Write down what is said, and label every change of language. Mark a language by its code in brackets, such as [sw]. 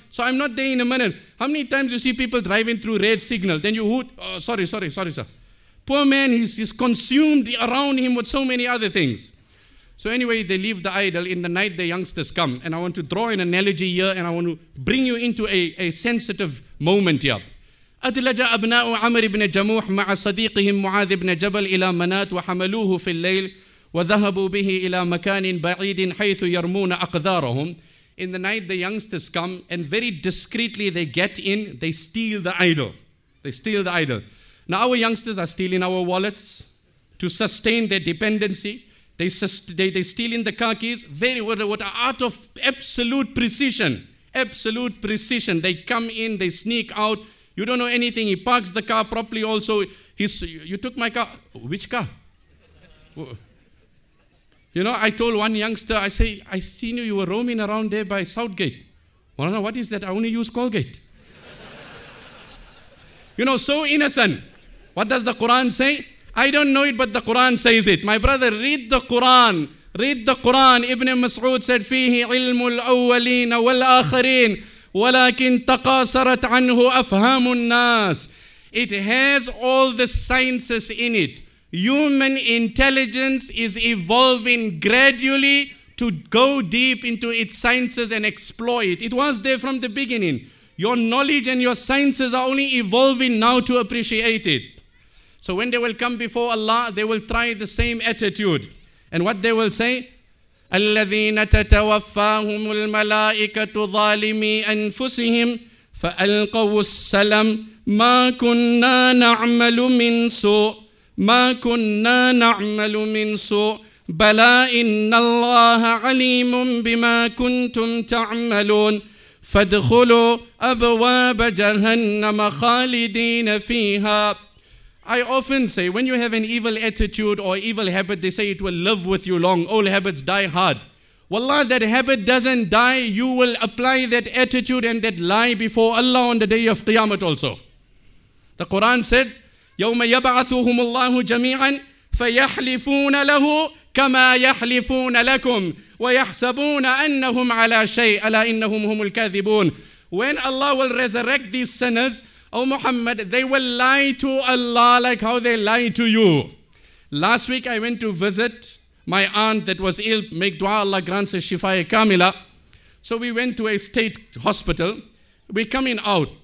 [en] So I'm not there in a minute. How many times you see people driving through red signal? Then you hoot, oh, sorry, sir. Poor man, he's consumed around him with so many other things. So anyway, they leave the idol. In the night, the youngsters come. And I want to draw an analogy here, and I want to bring you into a sensitive moment here. [ar] أدلج أبناء عمرو بن جموح مع صديقهم معاذ بن جبل إلى منات وحملوه في الليل وذهبوا به إلى مكان بعيد حيث يرمون أقدارهم. [en] In the night the youngsters come and very discreetly they get in, they steal the idol. They steal the idol. Now our youngsters are stealing our wallets to sustain their dependency. They steal in the car keys. Very well, what an art of absolute precision. Absolute precision. They come in, they sneak out. You don't know anything. He parks the car properly also. He's, you took my car. Which car? You know, I told one youngster, I say, I seen you. You were roaming around there by Southgate. Well, I don't know, what is that? I only use Colgate. You know, so innocent. What does the Quran say? I don't know it, but the Quran says it. My brother, read the Quran. Read the Quran. Ibn Mas'ud said, [ar] فيه علم الأولين والآخرين. ولكن تقاصرت عنه أفهام الناس. [en] It has all the sciences in it. Human intelligence is evolving gradually to go deep into its sciences and explore it. It was there from the beginning. Your knowledge and your sciences are only evolving now to appreciate it. So when they will come before Allah, they will try the same attitude. And what they will say? [ar] الذين تتوفاهم الملائكة ظالمي أنفسهم فألقوا السلم ما كنا نعمل من سوء ما كنا نعمل من سوء بلى إن الله عليم بما كنتم تعملون فادخلوا أبواب جهنم خالدين فيها. [en] I often say, when you have an evil attitude or evil habit, they say it will live with you long. Old habits die hard. Wallah, that habit doesn't die. You will apply that attitude and that lie before Allah on the day of Qiyamah also. The Quran says, [ar] يَوْمَ يَبْعَثُهُمُ اللَّهُ جَمِيعًا فَيَحْلِفُونَ لَهُ كَمَا يَحْلِفُونَ لَكُمْ وَيَحْسَبُونَ أَنَّهُمْ عَلَى شَيْءٍ أَلَا إِنَّهُمْ هُمُ الْكَاذِبُونَ. [en] When Allah will resurrect these sinners, oh Muhammad, they will lie to Allah like how they lie to you. Last week I went to visit my aunt that was ill. Make dua, Allah grants her shifa kamila. So we went to a state hospital. We're coming out.